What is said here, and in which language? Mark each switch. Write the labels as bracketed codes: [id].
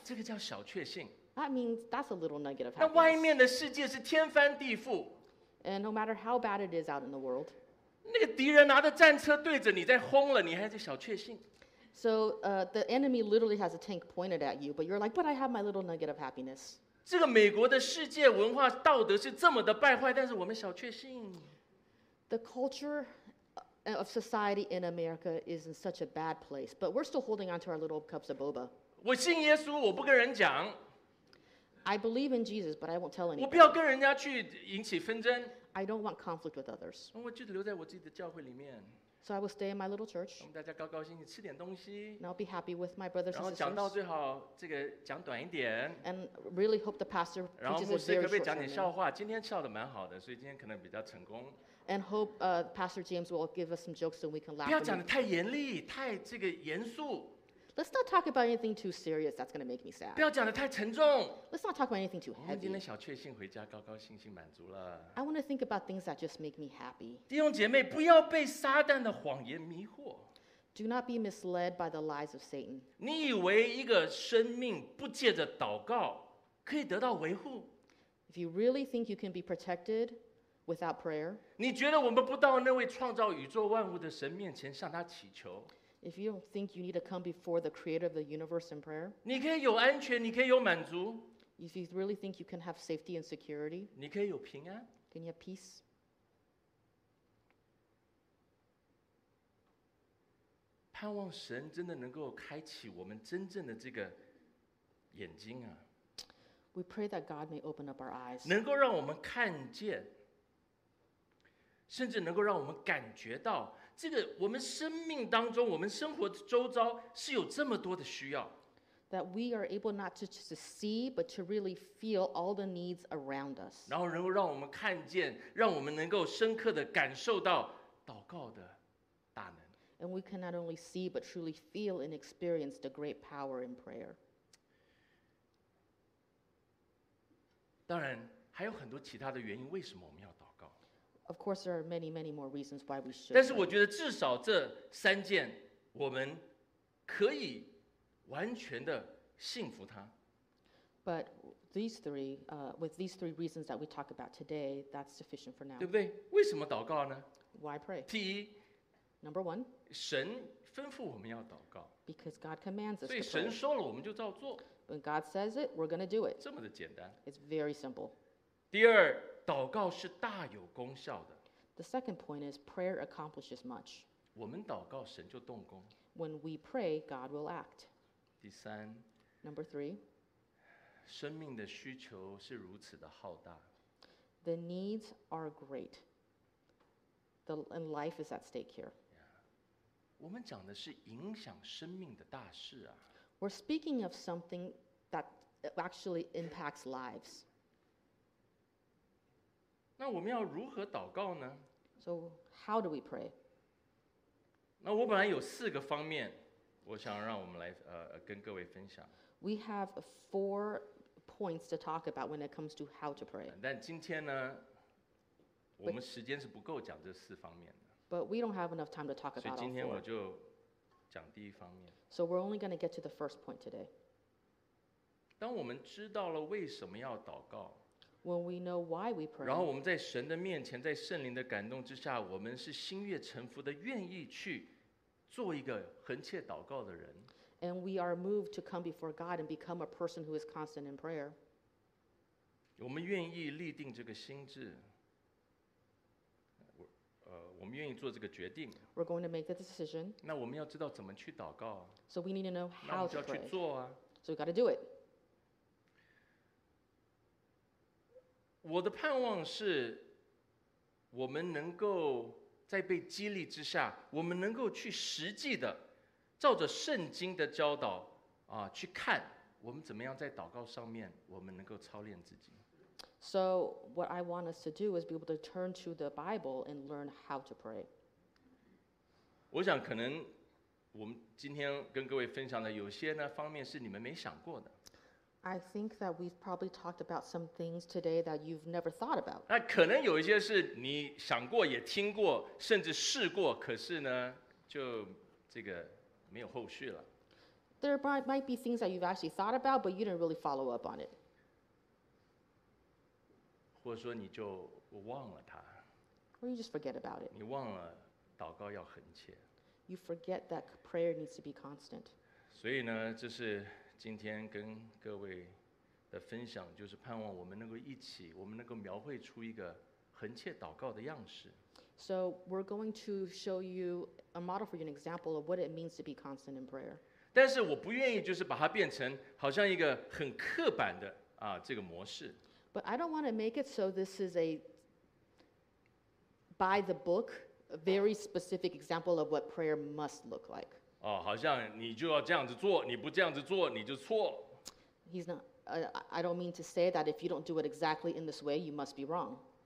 [zh] 这个叫小确幸。 [en] That means that's a little nugget of happiness. [zh] 那外面的世界是天翻地覆。 [en] And no matter how bad it is out in the world. [zh] 那个敌人拿着战车对着你在轰了，你还是小确幸。 [en] So the enemy literally has a tank pointed at you, but you're like, but I have my little nugget of happiness. [zh] 这个美国的世界文化道德是这么的败坏，但是我们小确幸。 [en] The culture of society in America is in such a bad place, but we're still holding on to our little cups of boba. [zh] 我信耶稣，我不跟人讲。 [en] I believe in Jesus, but I won't tell anybody. [zh] 我不要跟人家去引起纷争。 [en] I don't want conflict with others. [zh] 我就留在我自己的教会里面。 [en] So I will stay in my little church. [zh] 我们大家高高兴兴吃点东西。 [en] And I'll be happy with my brothers and sisters. [zh] 然后讲到最好这个讲短一点。 [en] And really hope the pastor preaches a very short sermon. [zh] 然后牧师可不可以讲点笑话？今天笑得蛮好的，所以今天可能比较成功。 [en] And hope Pastor James will give us some jokes so we can laugh. [zh] 不要讲得太严厉，太这个严肃。 [en] Let's not talk about anything too serious. That's going to make me sad. [zh] 不要讲得太沉重。 [en] Let's not talk about anything too heavy. [zh] 我们今天小确幸回家，高高兴兴满足了。 [en] I want to think about things that just make me happy. [zh] 弟兄姐妹，不要被撒旦的谎言迷惑。 [en] Do not be misled by the lies of Satan. [zh] 你以为一个生命不借着祷告可以得到维护？ [en] If you really think you can be protected without prayer, [zh] 你觉得我们不到那位创造宇宙万物的神面前向他祈求？ [en] If you don't think you need to come before the creator of the universe in prayer, [zh] 你可以有安全，你可以有满足。 [en] If you really think you can have safety and security, [zh] 你可以有平安。 [en] Can you have peace? [zh] 盼望神真的能够开启我们真正的这个眼睛啊。 [en] We pray that God may open up our eyes. [zh] 能够让我们看见，甚至能够让我们感觉到这个我们生命当中，我们生活周遭是有这么多的需要。 [en] That we are able not to just see, but to really feel all the needs around us. [zh] 然后能够让我们看见，让我们能够深刻的感受到祷告的大能。 [en] And we can not only see, but truly feel and experience the great power in prayer. [zh] 当然，还有很多其他的原因，为什么我们要祷告。 [en] Of course, there are many, many more reasons why we should. [zh] 但是我觉得至少这三件，我们可以完全的信服他。 [en] But these three, with these three reasons that we talk about today, that's sufficient for now. [zh] 对不对？为什么祷告呢？ [en] Why pray? [zh] 第一， [en] Number one. [zh] 神吩咐我们要祷告。 [en] Because God commands us to pray. [zh] 所以神说了，我们就照做。 [en] When God says it, we're going to do it. [zh] 这么的简单。 [en] It's very simple. [zh] 第二，祷告是大有功效的。 [en] The second point is prayer accomplishes much. [zh] 我们祷告，神就动工。 [en] When we pray, God will act. [zh] 第三， [en] Number three. [zh] 生命的需求是如此的浩大。 [en] The needs are great. And life is at stake here. Yeah. [zh] 我们讲的是影响生命的大事啊。 [en] We're speaking of something that actually impacts lives. [zh] 那我们要如何祷告呢？ [en] So how do we pray? [zh] 那我本来有四个方面，我想让我们来跟各位分享。 [en] We have four. Points to talk about when it comes to how to pray. [zh] 但今天呢，我们时间是不够讲这四方面的。 [en] But we don't have enough time to talk about all four. [zh] 所以今天我就讲第一方面。 [en] So we're only going to get to the first point today. [zh] 当我们知道了为什么要祷告， [en] When we know why we pray. [zh] 然后我们在神的面前，在圣灵的感动之下，我们是心悦诚服的，愿意去做一个恒切祷告的人。 [en] And we are moved to come before God and become a person who is constant in prayer. [zh] 我们愿意立定这个心志，我们愿意做这个决定。 [en] We're going to make the decision. [zh] 那我们要知道怎么去祷告。 [en] So we need to know how to pray. [zh] 那我们就要去做啊。 [en] So we got to do it. [zh] 我的盼望是，我们能够在被激励之下，我们能够去实际的。照着圣经的教导啊，去看我们怎么样在祷告上面，我们能够操练自己。 [en] So what I want us to do is be able to turn to the Bible and learn how to pray. [zh] 我想可能我们今天跟各位分享的有些呢方面是你们没想过的。 [en] I think that we've probably talked about some things today that you've never thought about. [zh] 那可能有一些是你想过也听过，甚至试过，可是呢就这个。没有后续了。 [en] There might be things that you've actually thought about, but you didn't really follow up on it. [zh] 或者说你就忘了它。 [en] Or you just forget about it. [zh] 你忘了祷告要恒切。 [en] You forget that prayer needs to be constant. [zh] 所以呢，这是今天跟各位的分享，就是盼望我们能够一起，我们能够描绘出一个恒切祷告的样式。 [en] So we're going to show you a model for you, an example of what it means to be constant in prayer. [zh] 但是我不愿意就是把它变成好像一个很刻板的啊这个模式。 [en] But I don't want to make it so this is a by the book, a very specific example of what prayer must look like. [zh] 哦，好像你就要这样子做，你不这样子做你就错。 [en] He's not. I don't mean to say that if you don't do it exactly in this way, you must be wrong.